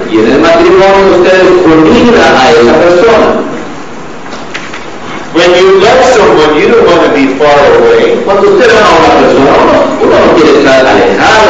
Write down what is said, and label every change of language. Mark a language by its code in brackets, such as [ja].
[es] Y en el matrimonio usted es unida a esa persona. [en] When you love someone, you don't want to be far away. [es] Cuando usted ama a una persona, uno no quiere estar alejado.